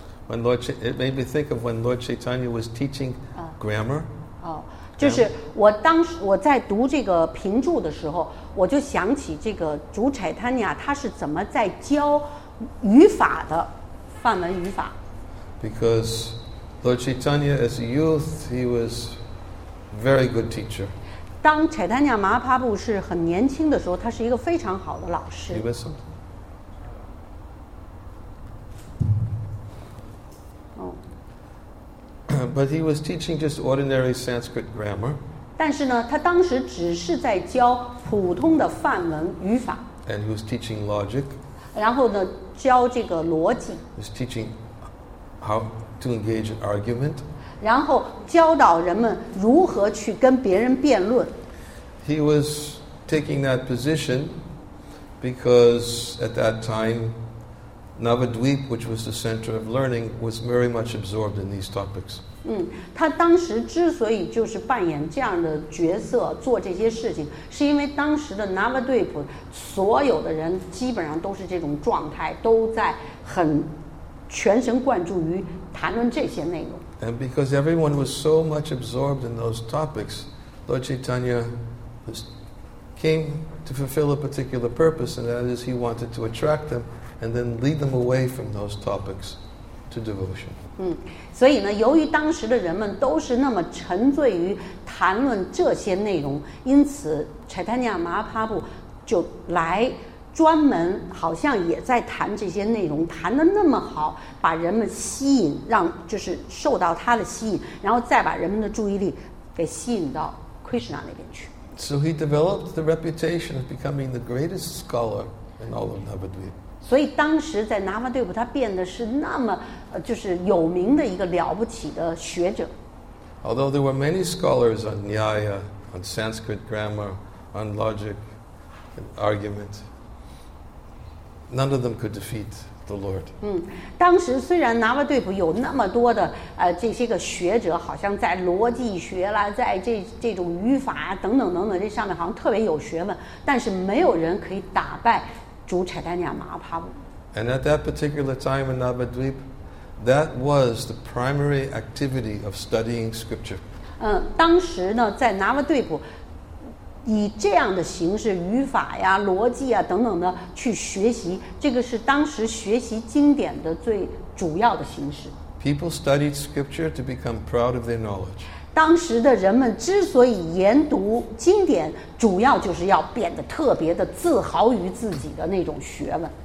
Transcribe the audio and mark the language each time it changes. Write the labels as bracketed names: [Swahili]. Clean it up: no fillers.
[English] It made me think of when Lord Chaitanya was teaching grammar. [Chinese] 就是我当时我在读这个评注的时候，我就想起这个主柴坦尼亚他是怎么在教语法的，范文语法。 [English] Because Lord Chaitanya, as a youth, he was very good teacher. [Chinese] 当柴坦尼亚·马哈帕布是很年轻的时候，他是一个非常好的老师。 [English] You missed something. But he was teaching just ordinary Sanskrit grammar. [Chinese] 但是呢，他当时只是在教普通的梵文语法。 [English] And he was teaching logic. [Chinese] 然后呢，教这个逻辑。 [English] He was teaching how to engage in argument. [Chinese] 然后教导人们如何去跟别人辩论。 [English] He was taking that position because at that time, Navadvip, which was the center of learning, was very much absorbed in these topics. [Chinese] 他当时之所以就是扮演这样的角色做这些事情，是因为当时的 Navadvip 所有的人基本上都是这种状态，都在很全神贯注于谈论这些内容。 [English] And because everyone was so much absorbed in those topics, Lord Chaitanya came to fulfill a particular purpose, and that is he wanted to attract them and then lead them away from those topics to devotion. [Chinese] 所以呢，由于当时的人们都是那么沉醉于谈论这些内容，因此 Chaitanya Mahaprabhu 就来专门好像也在谈这些内容，谈得那么好，把人们吸引，让就是受到他的吸引，然后再把人们的注意力给吸引到 Krishna 那边去。 [English] So he developed the reputation of becoming the greatest scholar in all of Navadvip. [Chinese] 所以当时在 Navadvip 他变得是那么就是有名的一个了不起的学者。 [English] Although there were many scholars on Nyaya, on Sanskrit grammar, on logic, and argument. None of them could defeat the Lord. [Chinese] 当时虽然 Navadvip 有那么多的这些个学者，好像在逻辑学啦，在这种语法等等等等这上面好像特别有学问，但是没有人可以打败主柴坦尼亚马哈帕布。 [English] And at that particular time in Navadvip, that was the primary activity of studying scripture. [Chinese] 当时呢，在 Navadvip。以这样的形式语法呀逻辑啊等等的去学习这个是当时学习经典的最主要的形式 [English] People studied scripture to become proud of their knowledge [Chinese] 当时的人们之所以研读经典主要就是要变得特别的自豪于自己的那种学问